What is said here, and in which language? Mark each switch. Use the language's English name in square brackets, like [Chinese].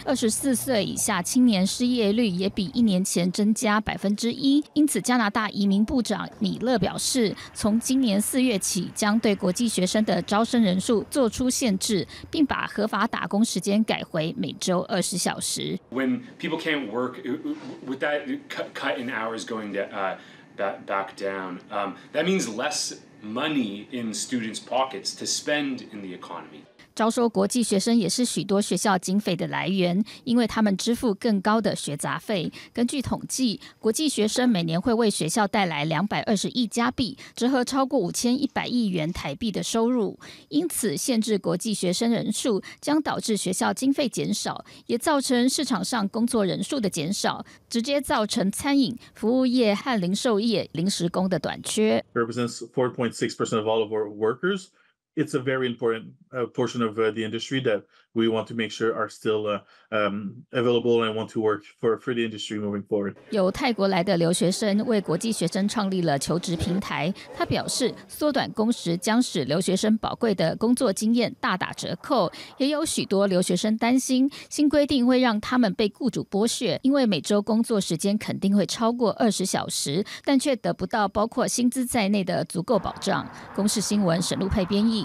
[Chinese] 24岁以下青年失业率也比一年前增加1%，因此加拿大移民部长米勒表示，从今年4月起将对国际学生的招生人数做出限制，并把合法打工时间改回每周20小时。 [English] When people can't work, with that cut in hours going back down, that means less money in students' pockets to spend in the economy. [Chinese] 招收国际学生也是许多学校经费的来源，因为他们支付更高的学杂费。根据统计，国际学生每年会为学校带来220亿加币，折合超过5100亿元台币的收入。因此，限制国际学生人数将导致学校经费减少，也造成市场上工作人数的减少，直接造成餐饮、服务业和零售业临时工的短缺。 [English] Represents 4.6% of all of our workers. It's a very important portion of the industry that we want to make sure are still available and want to work for the industry moving forward. [Chinese] 由泰国来的留学生为国际学生创立了求职平台。他表示，缩短工时将使留学生宝贵的工作经验大打折扣。也有许多留学生担心，新规定会让他们被雇主剥削，因为每周工作时间肯定会超过20小时，但却得不到包括薪资在内的足够保障。公视新闻沈陆佩编译。